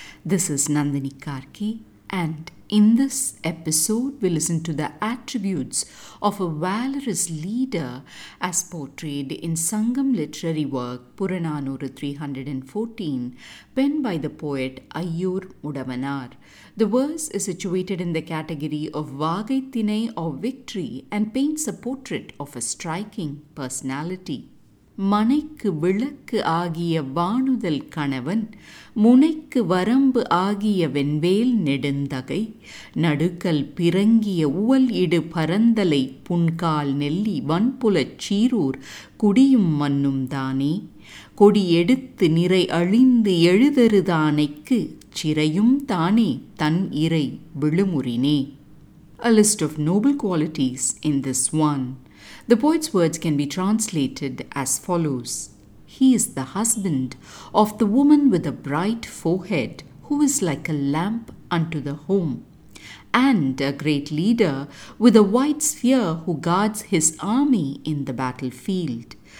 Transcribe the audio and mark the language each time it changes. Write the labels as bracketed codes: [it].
[en] This is Nandini Karki, and in this episode we listen to the attributes of a valorous leader as portrayed in Sangam literary work Puranaanooru 314, penned by the poet Aiyoor Mudavanaar. The verse is situated in the category of Vaagai Thinai or victory and paints a portrait of a striking personality. [ta] மனைக்கு விளக்கு ஆகிய வாணுதல் கணவன், முனைக்கு வரம்பு ஆகிய வெண்வேல் நெடுந்தகை, நடுக்கல் பிறங்கிய உவல் இடு பரந்தலை, புன்கால் நெல்லி வன்புலச் சீரூர் குடியும் மண்ணும் தானே, கொடி எடுத்து நிறை அழிந்து எழுதருதானைக்கு சிறையும் தானே தன் இறை விழுமுறினே. [en] A list of noble qualities in this one. The poet's words can be translated as follows. He is the husband of the woman with a bright forehead, who is like a lamp unto the home, and a great leader with a white sphere who guards his army in the battlefield.